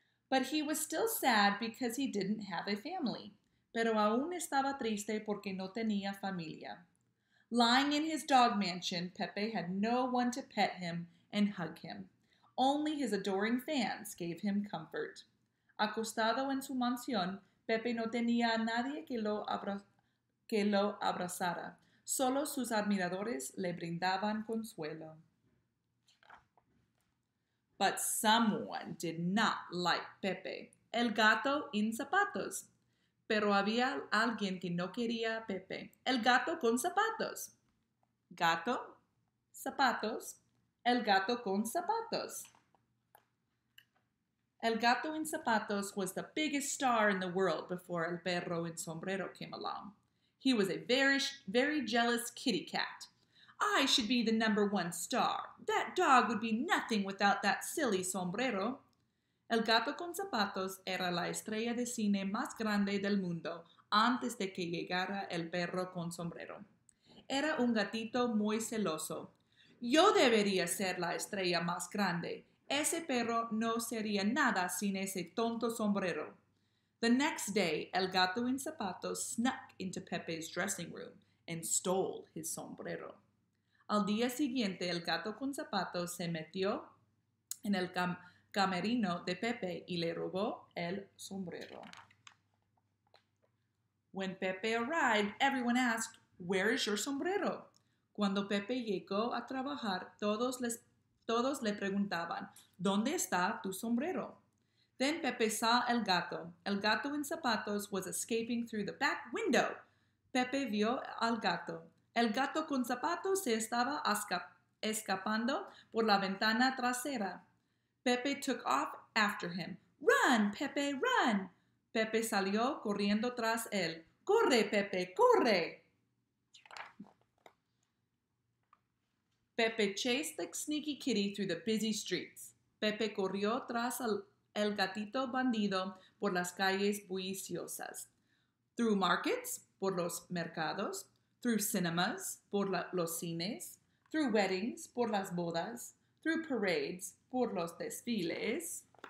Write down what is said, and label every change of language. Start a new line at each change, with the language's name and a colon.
English: But he was still sad because he didn't have a family.
Spanish: Pero aún estaba triste porque no tenía familia.
English: Lying in his dog mansion, Pepe had no one to pet him and hug him. Only his adoring fans gave him comfort.
Spanish: Acostado en su mansión, Pepe no tenía a nadie que lo abrazara. Solo sus admiradores le brindaban consuelo.
English: But someone did not like Pepe. El gato en zapatos.
Spanish: Pero había alguien que no quería a Pepe. El gato con zapatos. Gato, zapatos, el gato con zapatos.
English: El gato en zapatos was the biggest star in the world before el perro en sombrero came along. He was a very, very jealous kitty cat. I should be the number one star. That dog would be nothing without that silly sombrero.
Spanish: El gato con zapatos era la estrella de cine más grande del mundo antes de que llegara el perro con sombrero. Era un gatito muy celoso. Yo debería ser la estrella más grande. Ese perro no sería nada sin ese tonto sombrero.
English: The next day, el gato en zapatos snuck into Pepe's dressing room and stole his sombrero.
Spanish: Al día siguiente, el gato con zapatos se metió en el camerino de Pepe y le robó el sombrero.
English: When Pepe arrived, everyone asked, "Where is your sombrero?"
Spanish: Cuando Pepe llegó a trabajar, todos le preguntaban, "¿Dónde está tu sombrero?"
English: Then Pepe saw el gato. El gato en zapatos was escaping through the back window.
Spanish: Pepe vio al gato. El gato con zapatos se estaba escapando por la ventana trasera.
English: Pepe took off after him. Run, Pepe, run!
Spanish: Pepe salió corriendo tras él. Corre, Pepe, corre!
English: Pepe chased the sneaky kitty through the busy streets.
Spanish: Pepe corrió tras el gatito bandido por las calles bulliciosas.
English: Through markets,
Spanish: por los mercados.
English: Through cinemas,
Spanish: por los cines.
English: Through weddings,
Spanish: por las bodas.
English: Through parades,
Spanish: por los desfiles.